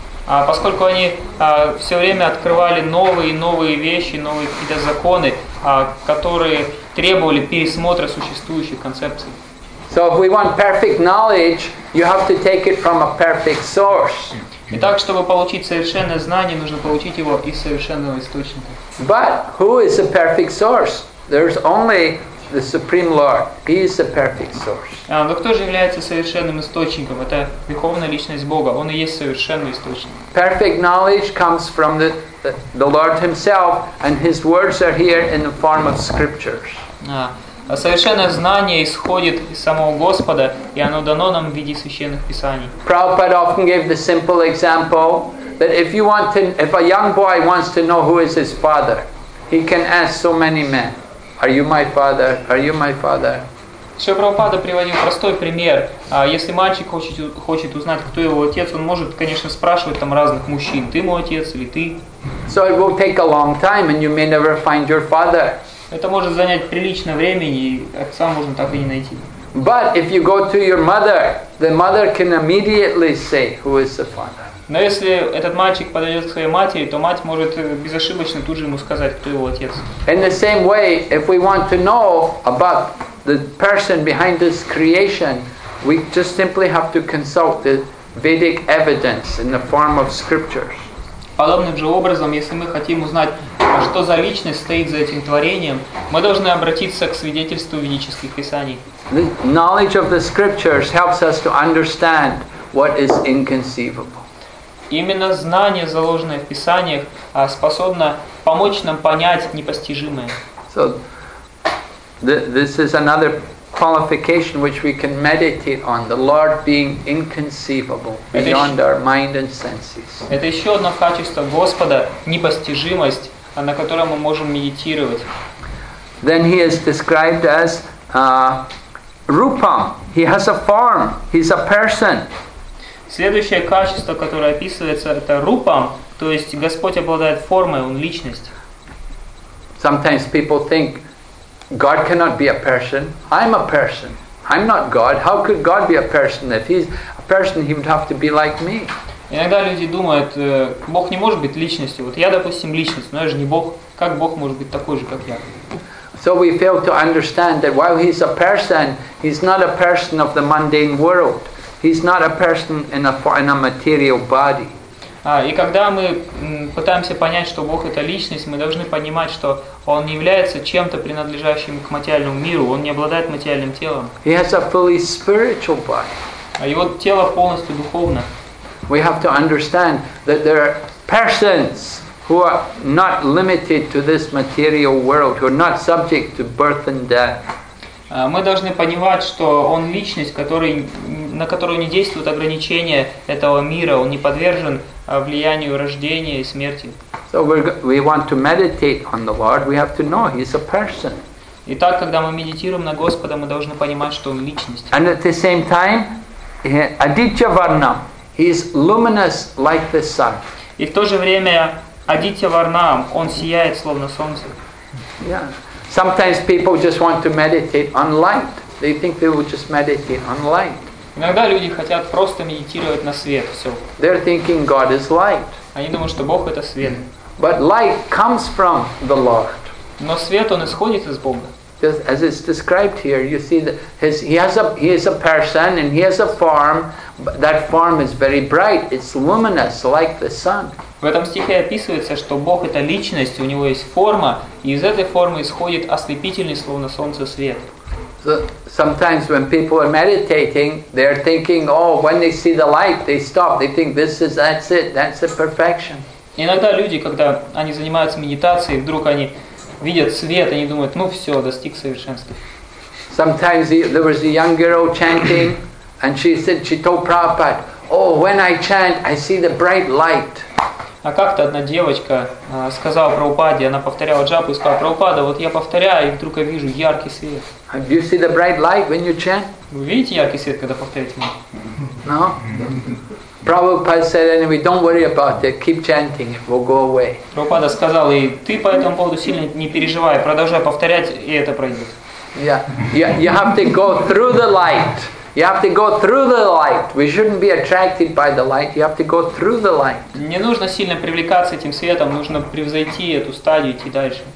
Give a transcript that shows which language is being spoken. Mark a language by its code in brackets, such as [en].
[ru] Поскольку они все время открывали новые и новые вещи, новые какие-то законы, которые требовали пересмотра существующих концепций. [en] So if we want perfect knowledge, you have to take it from a perfect source. [ru] Итак, чтобы получить совершенное знание, нужно получить его из совершенного источника. [en] But who is a perfect source? There's only the Supreme Lord. He is a perfect source. [ru] Но кто же является совершенным источником? Это Верховная Личность Бога. Он и есть совершенный источник. [en] Perfect knowledge comes from the Lord Himself, and His words are here in the form of scriptures. [ru] Совершенное знание исходит из самого Господа, и оно дано нам в виде священных писаний. [en] Prabhupada often gave the simple example that if a young boy wants to know who is his father, he can ask so many men, "Are you my father? Are you my father?" [ru] Шри Прабхупада приводил простой пример. Если мальчик хочет узнать, кто его отец, он может, конечно, спрашивать там разных мужчин: "Ты мой отец или ты?" [en] So it will take a long time, and you may never find your father. [ru] Это может занять приличное время, и отца можно так и не найти. [en] But if you go to your mother, the mother can immediately say who is the father. [ru] Но если этот мальчик подойдет к своей матери, то мать может безошибочно тут же ему сказать, кто его отец. [en] In the same way, if we want to know about the person behind this creation, we just simply have to consult the Vedic evidence in the form of scriptures. [ru] Подобным же образом, если мы хотим узнать, что за личность стоит за этим творением, мы должны обратиться к свидетельству ведических писаний. [en] The knowledge of the scriptures helps us to understand what is inconceivable. [ru] Именно знание, заложенное в писаниях, способно помочь нам понять непостижимое. [en] So, this is another qualification which we can meditate on, the Lord being inconceivable beyond our mind and senses. [ru] Это еще одно качество Господа, непостижимость, на котором мы можем медитировать. [en] Then he is described as Rupam. He has a form. He's a person. [ru] Следующее качество, которое описывается, это Rupam, то есть Господь обладает формой, Он личность. [en] Sometimes people think God cannot be a person. I'm a person. I'm not God. How could God be a person? If he's a person, he would have to be like me. [ru] Иногда люди думают, Бог не может быть личностью. Вот я, допустим, личность, но я же не Бог. Как Бог может быть такой же, как я? [en] So we fail to understand that while he's a person, he's not a person of the mundane world. He's not a person in a material body. [ru] И когда мы пытаемся понять, что Бог – это Личность, мы должны понимать, что Он не является чем-то принадлежащим к материальному миру, Он не обладает материальным телом. [en] He has a fully spiritual body. [ru] А Его тело полностью духовно. [en] We have to understand that there are persons who are not limited to this material world, who are not subject to birth and death. [ru] Мы должны понимать, что Он – Личность, на которую не действуют ограничения этого мира, Он не подвержен влиянию рождения и смерти. [en] So we want to meditate on the Lord, we have to know He's a person. [ru] Итак, когда мы медитируем на Господа, мы должны понимать, что Он – Личность. [en] And at the same time, Aditya Varna, He's luminous like the sun. [ru] И в то же время Aditya Varna, Он сияет, словно солнце. [en] Yeah. Sometimes people just want to meditate on light. They think they will just meditate on light. [ru] Иногда люди хотят просто медитировать на свет, всё. [en] They're thinking God is light. [ru] Они думают, что Бог это свет. [en] But light comes from the Lord. [ru] Но свет он исходит из Бога. [en] Just as it's described here, you see that he is a person and he has a form. But that form is very bright. It's luminous like the sun. [ru] В этом стихе описывается, что Бог – это Личность, у Него есть форма, и из этой формы исходит ослепительный, словно солнце, свет. [en] So, sometimes when people are meditating, they are thinking, oh, when they see the light, they stop. They think, that's it, that's the perfection. [ru] Иногда люди, когда они занимаются медитацией, вдруг они видят свет, они думают, все, достиг совершенства. [en] Sometimes there was a young girl chanting, and she said, she told Prabhupada, oh, when I chant, I see the bright light. [ru] А как-то одна девочка сказала Прабхупаде, она повторяла джапу и сказала, Прабхупада, вот я повторяю, и вдруг я вижу яркий свет. [en] Do you see the bright light when you chant? [ru] Вы видите яркий свет, когда повторяете? [en] No. Prabhupada said anyway, don't worry about it, keep chanting, it will go away. [ru] Прабхупада сказал, и ты по этому поводу сильно не переживай, продолжай повторять, и это пройдет. [en] Yeah, you have to go through the light. You have to go through the light. We shouldn't be attracted by the light. You have to go through the light. [ru] Не нужно сильно привлекаться этим светом, нужно превзойти эту стадию и идти дальше.